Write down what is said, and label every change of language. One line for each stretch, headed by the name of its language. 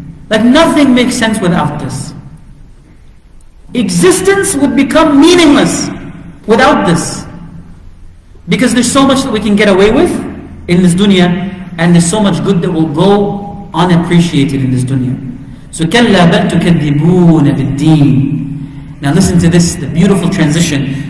English: Like nothing makes sense without this. Existence would become meaningless without this. Because there's so much that we can get away with in this dunya, and there's so much good that will go unappreciated in this dunya. So
Arabic: كلا بل تكذبون بالدين.
English: Now listen to this, the beautiful transition.